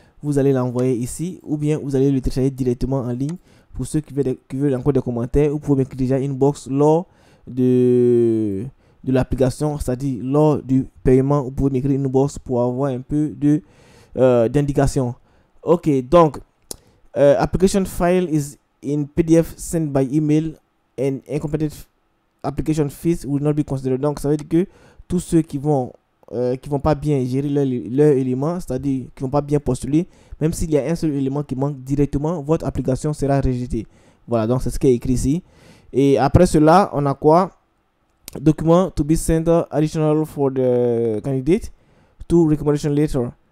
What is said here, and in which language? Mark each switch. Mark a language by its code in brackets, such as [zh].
[fr] Vous allez l'envoyer ici, ou bien vous allez le télécharger directement en ligne. Pour ceux qui veulent encore des commentaires, vous pouvez mettre déjà inbox lors de l'application, c'est-à-dire lors du paiement, vous pouvez m'écrire inbox pour avoir un peu d'indication. [en] OK, donc, application file is in PDF sent by email and incomplete application fees will not be considered. [fr] Donc, ça veut dire que tous ceux qui vont pas bien gérer leur élément, c'est-à-dire qui vont pas bien postuler, même s'il y a un seul élément qui manque directement, votre application sera rejetée. Voilà, donc c'est ce qui est écrit ici. Et après cela, on a quoi? [en] Document to be sent additional for the candidate to recommendation letter.